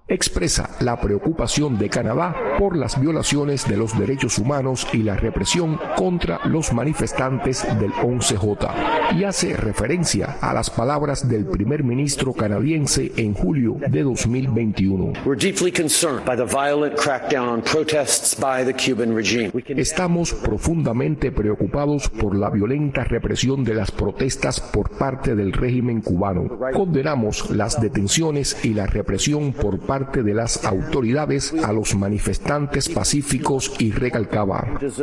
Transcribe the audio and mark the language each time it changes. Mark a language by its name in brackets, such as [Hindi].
[Spanish] expresa la preocupación de Canadá por las violaciones de los derechos humanos y la represión contra los manifestantes del 11J y hace referencia a las palabras del primer ministro canadiense en julio de 2021. [English] We're deeply concerned by the violent crackdown on protests by the Cuban regime. [Spanish] Estamos profundamente preocupados por la violenta represión de las protestas por parte del régimen cubano. Condenamos las detenciones y la represión por parte de las autoridades a los manifestantes pacíficos y recalcaba.